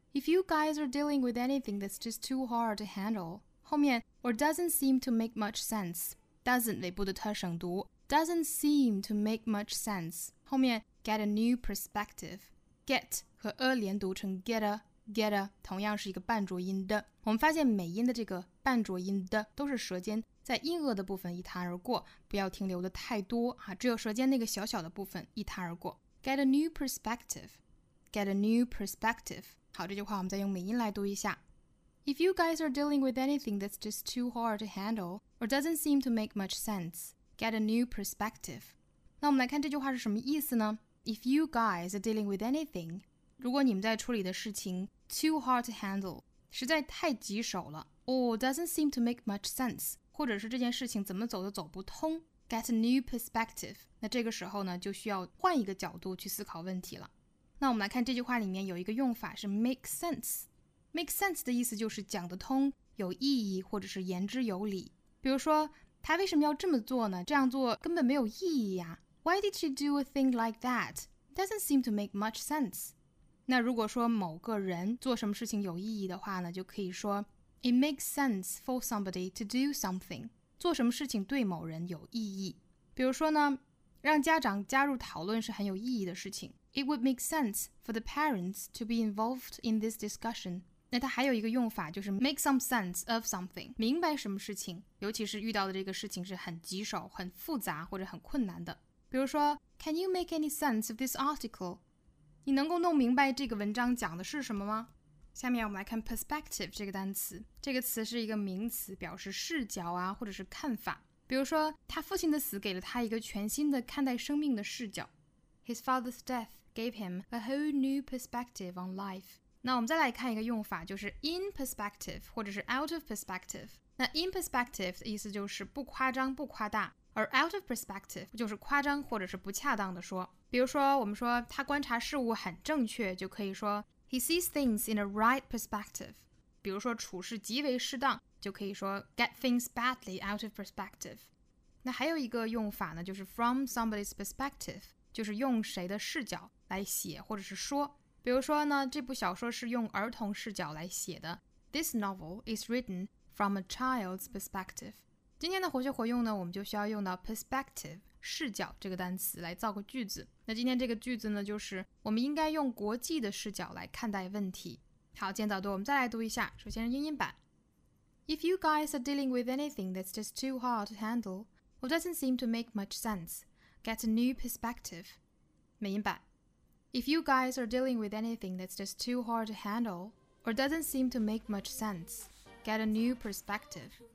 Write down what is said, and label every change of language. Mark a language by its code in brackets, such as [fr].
[en] If you guys are dealing with anything that's just too hard to handle [zh] 后面 [en] or doesn't seem to make much sense doesn't [zh] 尾部的特省读 [en] doesn't seem to make much sense 后面 get a new perspective get 和 a 连读成 get aget a [zh] 同样是一个半浊音的我们发现美音的这个半浊音的都是舌尖在硬腭的部分一弹而过 [en] 不要停留的太多、啊、只有舌尖那个小小的部分一弹而过 get a new perspective get a new perspective [zh] 好，这句话我们再用美音来读一下。 [en] If you guys are dealing with anything that's just too hard to handle or doesn't seem to make much sense, get a new perspective. [zh] 那我们来看这句话是什么意思呢？ [en] If you guys are dealing with anything, [zh] 如果你们在处理的事情 [en] too hard to handle, [zh] 实在太棘手了 [en] or doesn't seem to make much sense, [zh] 或者是这件事情怎么走都走不通 [en] get a new perspective. [zh] 那这个时候呢，就需要换一个角度去思考问题了。那我们来看这句话里面有一个用法是 make sense。Make sense 的意思就是讲得通、有意义或者是言之有理。比如说，他为什么要这么做呢？这样做根本没有意义呀。 [en] Why did she do a thing like that? Doesn't seem to make much sense. [zh] 那如果说某个人做什么事情有意义的话呢，就可以说 [en] It makes sense for somebody to do something. [zh] 做什么事情对某人有意义。比如说呢，让家长加入讨论是很有意义的事情。 [en] It would make sense for the parents to be involved in this discussion. [zh] 那它还有一个用法就是 [en] make some sense of something. [zh] 明白什么事情，尤其是遇到的这个事情是很棘手、很复杂或者很困难的。比如说 [en] Can you make any sense of this article? [zh] 你能够弄明白这个文章讲的是什么吗？下面我们来看 perspective 这个单词。这个词是一个名词，表示视角啊，或者是看法。比如说他父亲的死给了他一个全新的看待生命的视角。 [en] His father's death gave him a whole new perspective on life. [zh] 那我们再来看一个用法，就是 in perspective 或者是 out of perspective. 那 in perspective 的意思就是不夸张、不夸大，而 out of perspective 就是夸张或者是不恰当的说。比如说，我们说他观察事物很正确，就可以说 [en] he sees things in a right perspective. [zh] 比如说处事极为适当，就可以说 [en] get things badly out of perspective. [zh] 那还有一个用法呢，就是 from somebody's perspective. 就是用谁的视角来写或者是说。比如说呢，这部小说是用儿童视角来写的。 [en] This novel is written from a child's perspective. [zh] 今天的活学活用呢，我们就需要用到 perspective, 视角这个单词来造个句子。那今天这个句子呢，就是我们应该用国际的视角来看待问题。好，今天早读我们再来读一下，首先是英音版。 [en] If you guys are dealing with anything that's just too hard to handle, or doesn't seem to make much sense,Get a new perspective. [zh] 美音版 [en] If you guys are dealing with anything that's just too hard to handle or doesn't seem to make much sense, get a new perspective.